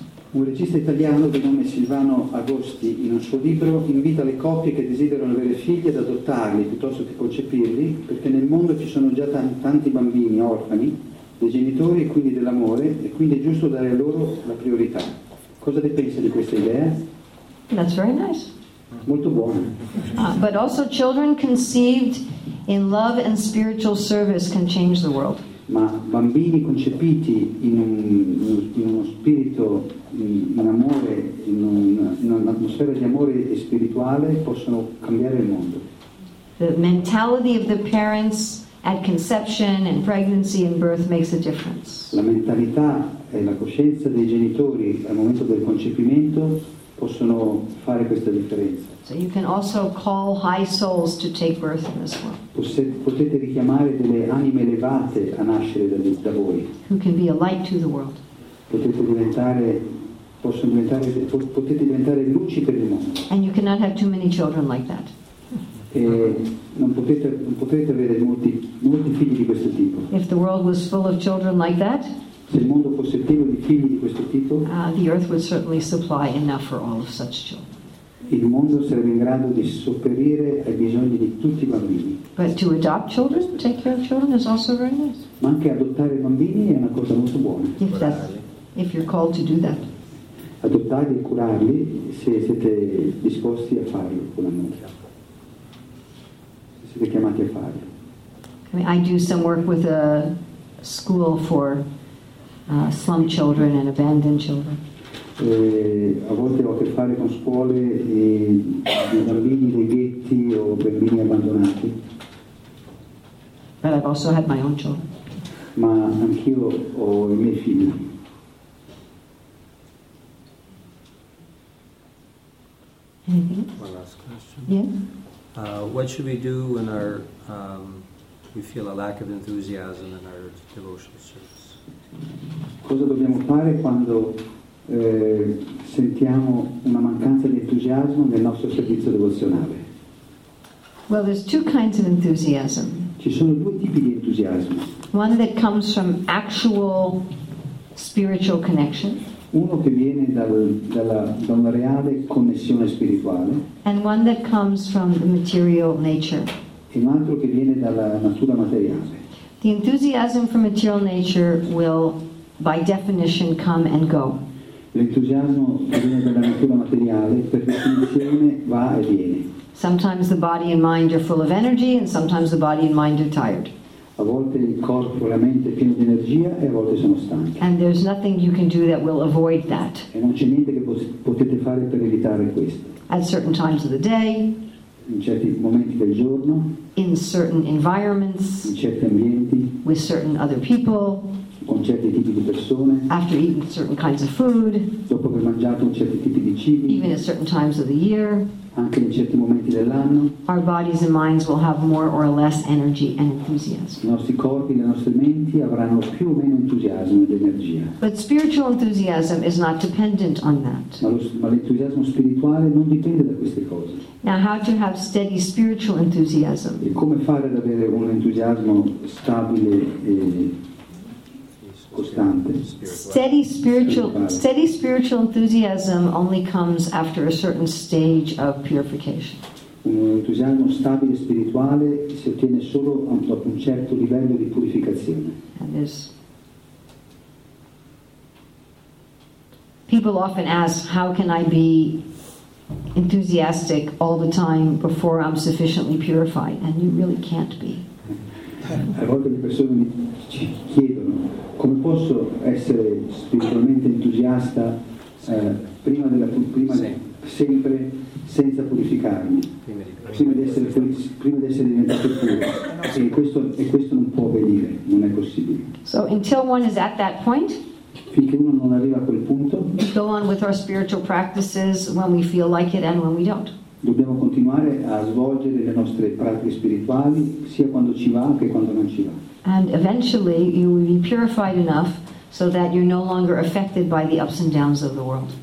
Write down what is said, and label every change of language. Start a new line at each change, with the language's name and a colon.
Italian: Un regista italiano di nome Silvano Agosti, in un suo libro, invita le coppie che desiderano avere figli ad adottarli piuttosto che concepirli, perché nel mondo ci sono già tanti bambini orfani dei genitori e quindi dell'amore, e quindi è giusto dare a loro la priorità. Cosa ne pensa di questa idea?
English: That's very nice.
Italian: Molto buono.
English: But also children conceived in love and spiritual service can change the world.
Italian: Ma bambini concepiti in uno spirito, in amore, in un'atmosfera di amore e spirituale possono cambiare il mondo.
English: The mentality of the parents at conception and pregnancy and birth makes a difference.
Italian: La mentalità e la coscienza dei genitori al momento del concepimento possono fare questa differenza.
English: So you can also call high souls to take birth in this world.
Italian: Potete richiamare delle anime elevate a nascere da voi.
English: Who can be a light to the world.
Italian: Potete diventare luci per il mondo.
English: And you cannot have too many children like that.
Italian: E non potete avere molti figli di questo tipo.
English: If the world was full of children like that,
Italian: se il mondo fosse pieno di figli di questo tipo,
English: the earth would certainly supply enough for all of such children.
Italian: Il mondo sarebbe in grado di sopperire ai bisogni di tutti i bambini.
English: But to adopt children, take care of children is also very nice.
Italian: Ma anche adottare bambini è una cosa molto buona.
English: If you're called to do that.
Italian: Adottarli e curarli se siete disposti a farlo con amore. Se siete chiamati a farlo.
English: I mean, I do some work with a school for slum children and abandoned children.
Italian: A volte ho a che fare con scuole di bambini dei ghetti o bambini abbandonati.
English: But I've also had my own children.
Italian: Ma anch'io ho i miei figli.
English: Anything? One last question. Yeah. What should we do when our you feel a lack of enthusiasm in our devotional service.
Italian: Cosa dobbiamo fare quando sentiamo una mancanza di entusiasmo nel nostro servizio devozionale?
English: Well, there's two kinds of enthusiasm.
Italian: Ci sono due tipi di entusiasmo.
English: One that comes from actual spiritual connection.
Italian: Uno che viene da una reale connessione spirituale.
English: And one that comes from the material nature.
Italian: E un altro che viene dalla natura materiale.
English: The enthusiasm for material nature will, by definition, come and go.
Italian: L'entusiasmo che viene dalla natura materiale, per definizione, va e viene.
English: Sometimes the body and mind are full of energy, and sometimes the body and mind are tired.
Italian: A volte il corpo e la mente è pieno di energia e a volte sono stanchi.
English: And there's nothing you can do that will avoid that.
Italian: E non c'è niente che potete fare per evitare questo.
English: At certain times of the day.
Italian: In certi momenti del giorno.
English: In certain environments.
Italian: In certi ambienti.
English: With certain other people.
Italian: Con certi tipi di persone.
English: After eating certain kinds of food.
Italian: Dopo aver mangiato certi tipi di cibi.
English: Even at certain times of the year.
Italian: Anche in certi momenti dell'anno.
English: Our bodies and minds will have more or less energy and enthusiasm.
Italian: I nostri corpi, le nostre menti avranno più o meno entusiasmo ed energia.
English: But spiritual enthusiasm is not dependent on that.
Italian: Ma l'entusiasmo spirituale non dipende da queste cose.
English: Now, how to have steady spiritual enthusiasm?
Italian: E come fare ad avere un entusiasmo stabile e costante.
English: Steady spiritual enthusiasm only comes after a certain stage of purification.
Italian: Un entusiasmo stabile spirituale si ottiene solo dopo un certo livello di purificazione.
English: People often ask, how can I be enthusiastic all the time before I'm sufficiently purified? And you really can't be.
Italian: A volte le persone mi chiedono, come posso essere spiritualmente entusiasta sempre senza purificarmi, prima di essere diventato puro? E questo non può avvenire, non è possibile.
English: So until one is at that point,
Italian: finché uno non arriva a quel punto,
English: we go on with our spiritual practices when we feel like it and when we don't.
Italian: Dobbiamo continuare a svolgere le nostre pratiche spirituali sia quando ci va che quando non ci va.
English: And eventually you will be purified enough so that you're no longer affected by the ups and downs of the world.